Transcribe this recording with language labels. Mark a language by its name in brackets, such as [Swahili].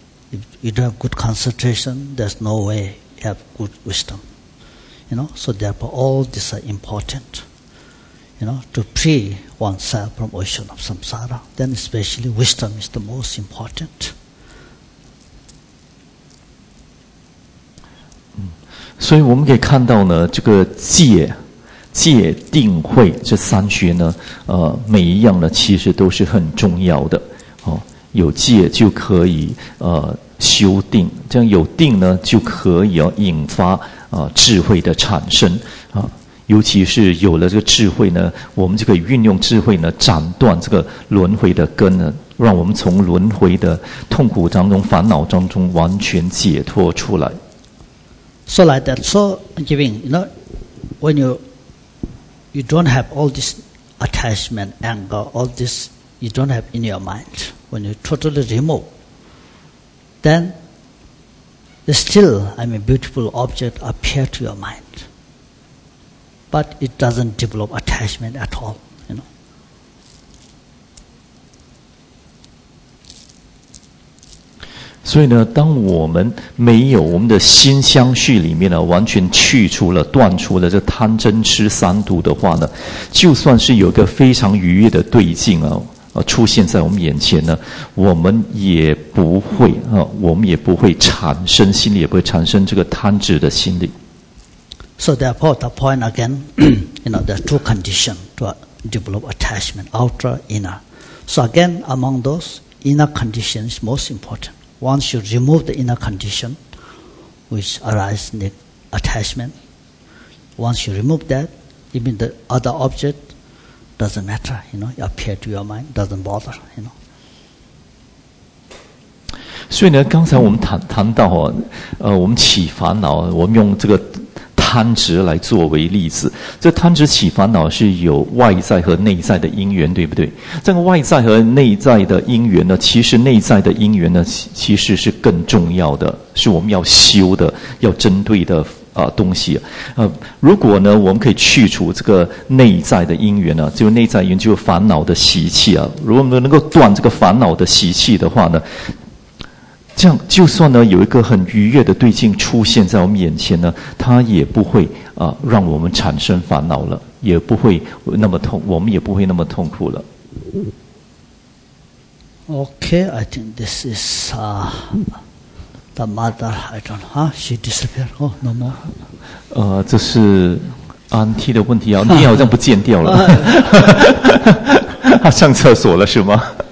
[English] If you don't have good concentration, there's no way you have good wisdom. You know, so therefore all these are important. You know, to free oneself from ocean of samsara, then especially wisdom is the most important. [Chinese] 所以我们可以看到呢，这个戒、戒定慧这三学呢，每一样呢其实都是很重要的。哦，有戒就可以修定，这样有定呢就可以要引发智慧的产生啊。尤其是有了这个智慧呢，我们就可以运用智慧呢斩断这个轮回的根呢，让我们从轮回的痛苦当中、烦恼当中完全解脱出来。 [English] So like that, so giving, you know, when you don't have all this attachment, anger, all this you don't have in your mind, when you totally remove, then there's still, I mean, beautiful object appear to your mind. But it doesn't develop attachment at all, you know. [Chinese] So, 呢，当我们没有我们的心相续里面呢，完全去除了、断除了这贪嗔痴三毒的话呢，就算是有一个非常愉悦的对境啊，出现在我们眼前呢，我们也不会啊，我们也不会产生心理，也不会产生这个贪执的心理。 [English] So, therefore, the point again, you know, there are two conditions to develop attachment: outer, inner. So, again, among those, inner condition is most important. Once you remove the inner condition which arises in the attachment, once you remove that, even the other object doesn't matter, you know, it appears to your mind, doesn't bother, you know. [Chinese] 所以呢，刚才我们谈到啊，我们起烦恼，我们用这个贪执来作为例子，这贪执起烦恼是有外在和内在的因缘，对不对？这个外在和内在的因缘呢，其实内在的因缘呢，其实是更重要的，是我们要修的、要针对的东西。如果呢，我们可以去除这个内在的因缘呢，就内在因缘就是烦恼的习气啊。如果我们能够断这个烦恼的习气的话呢，这样就算呢有一个很愉悦的对境出现在我们眼前呢，它也不会让我们产生烦恼了，也不会那么痛，我们也不会那么痛苦了。 [English] Okay, I think this is the mother, I don't know, she disappeared, oh, no more. [Chinese] 这是 auntie 的问题啊，你好像不见掉了。她上厕所了是吗？